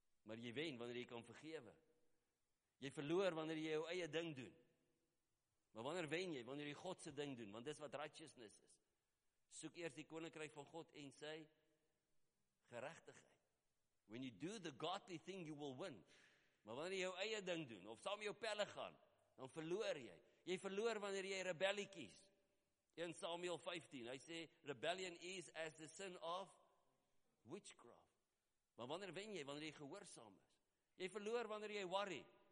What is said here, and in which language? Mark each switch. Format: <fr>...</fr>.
<af>Maar jy wen, wanneer jy kan vergewe. Jy verloor, wanneer jy jou eie ding doen. Maar wanneer wen jy, wanneer jy Godse ding doen, want dis wat righteousness is, soek eerst die koninkryk van God en sy gerechtigheid.</af> <en>When you do the godly thing, you will win.</en> <af>Maar wanneer jy jou eie ding doen, of saam jou pelle gaan, dan verloor jy. Jy verloor wanneer jy rebellie kies. In Samuel 15, hy sê,</af> <en>rebellion is as the sin of witchcraft.</en> <af>Maar wanneer wen jy, wanneer jy gehoorsaam is? Jy verloor wanneer jy worry.</af>